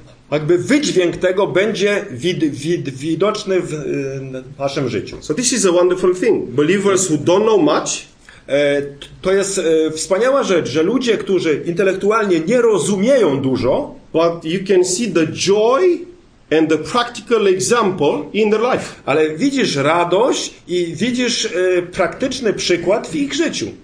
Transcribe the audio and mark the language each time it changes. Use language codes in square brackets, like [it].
[pl] Jakby wydźwięk tego będzie widoczny w naszym życiu. [en] So this is a wonderful thing. Believers who don't know much. [pl] To jest wspaniała rzecz, że ludzie, którzy intelektualnie nie rozumieją dużo, [en] but you can see the joy and the practical example in their life. [pl] Ale widzisz radość i widzisz praktyczny przykład w ich życiu.